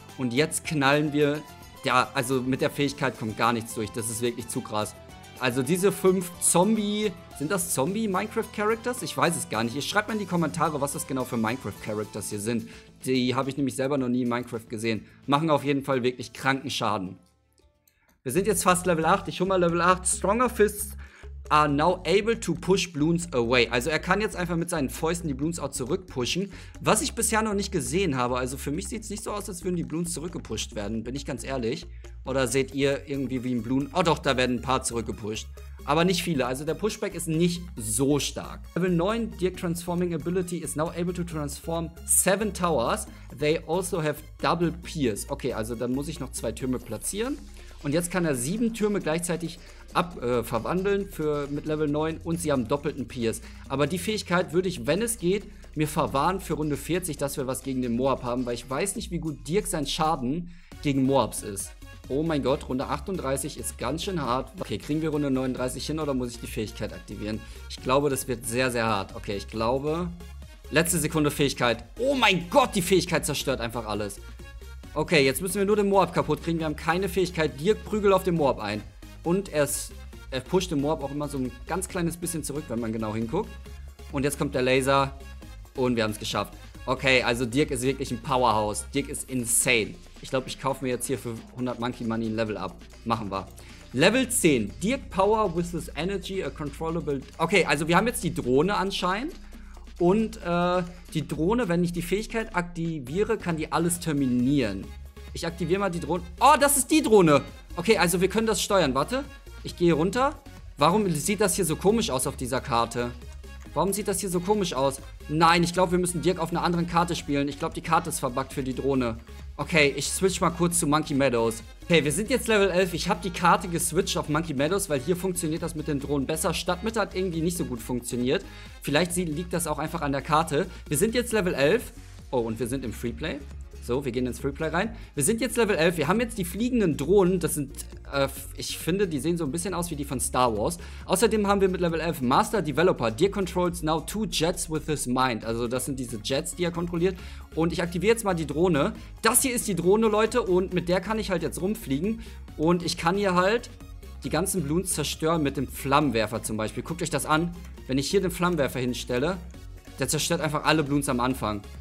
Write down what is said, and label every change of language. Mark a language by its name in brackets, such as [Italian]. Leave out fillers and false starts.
[German] Und jetzt knallen wir, ja, also mit der Fähigkeit kommt gar nichts durch, das ist wirklich zu krass. Also diese 5 Zombie, sind das Zombie-Minecraft-Characters? Ich weiß es gar nicht. Ihr schreibt mal in die Kommentare, was das genau für Minecraft-Characters hier sind. Die habe ich nämlich selber noch nie in Minecraft gesehen. Machen auf jeden Fall wirklich kranken Schaden. Wir sind jetzt fast Level 8. Ich hole mal Level 8. [English] Stronger Fists are now able to push Bloons away. [German] Also er kann jetzt einfach mit seinen Fäusten die Bloons auch zurückpushen. Was ich bisher noch nicht gesehen habe. Also für mich sieht es nicht so aus, als würden die Bloons zurückgepusht werden. Bin ich ganz ehrlich. Oder seht ihr irgendwie wie ein Bloon? Oh doch, da werden ein paar zurückgepusht. Aber nicht viele. Also der Pushback ist nicht so stark. [English] Level 9, Dirk Transforming Ability is now able to transform 7 Towers. They also have double Pierce. [German] Okay, also dann muss ich noch 2 Türme platzieren. Und jetzt kann er 7 Türme gleichzeitig verwandeln mit Level 9. Und sie haben doppelten Pierce. Aber die Fähigkeit würde ich, wenn es geht, mir verwahren für Runde 40, dass wir was gegen den Moab haben. Weil ich weiß nicht, wie gut Dirk sein Schaden gegen Moabs ist. Oh mein Gott, Runde 38 ist ganz schön hart. Okay, kriegen wir Runde 39 hin oder muss ich die Fähigkeit aktivieren? Ich glaube, das wird sehr, sehr hart. Okay, ich glaube... Letzte Sekunde Fähigkeit. Oh mein Gott, die Fähigkeit zerstört einfach alles. Okay, jetzt müssen wir nur den Moab kaputt kriegen. Wir haben keine Fähigkeit. Dirk prügelt auf den Moab ein. Und er pusht den Moab auch immer so ein ganz kleines bisschen zurück, wenn man genau hinguckt. Und jetzt kommt der Laser. Und wir haben es geschafft. Okay, also Dirk ist wirklich ein Powerhouse. Dirk ist insane. Ich glaube, ich kaufe mir jetzt hier für 100 Monkey Money ein Level up. Machen wir. Level 10. [English] Dirk Power with his energy, a controllable... [German] Okay, also wir haben jetzt die Drohne anscheinend. Und die Drohne, wenn ich die Fähigkeit aktiviere, kann die alles terminieren. Ich aktiviere mal die Drohne. Oh, das ist die Drohne. Okay, also wir können das steuern. Warte, ich gehe runter. Warum sieht das hier so komisch aus auf dieser Karte? Warum sieht das hier so komisch aus? Nein, ich glaube, wir müssen Dirk auf einer anderen Karte spielen. Ich glaube, die Karte ist verbuggt für die Drohne. Okay, ich switch mal kurz zu Monkey Meadows. Okay, wir sind jetzt Level 11. Ich habe die Karte geswitcht auf Monkey Meadows, weil hier funktioniert das mit den Drohnen besser. Stadtmitte hat irgendwie nicht so gut funktioniert. Vielleicht liegt das auch einfach an der Karte. Wir sind jetzt Level 11. Oh, und wir sind im Freeplay. So, wir gehen ins Freeplay rein. Wir sind jetzt Level 11. Wir haben jetzt die fliegenden Drohnen. Das sind, ich finde, die sehen so ein bisschen aus wie die von Star Wars. Außerdem haben wir mit Level 11 Master Developer. [English] Dirk controls now 2 Jets with his mind. [German] Also das sind diese Jets, die er kontrolliert. Und ich aktiviere jetzt mal die Drohne. Das hier ist die Drohne, Leute. Und mit der kann ich halt jetzt rumfliegen. Und ich kann hier halt die ganzen Bloons zerstören mit dem Flammenwerfer zum Beispiel. Guckt euch das an. Wenn ich hier den Flammenwerfer hinstelle, der zerstört einfach alle Bloons am Anfang.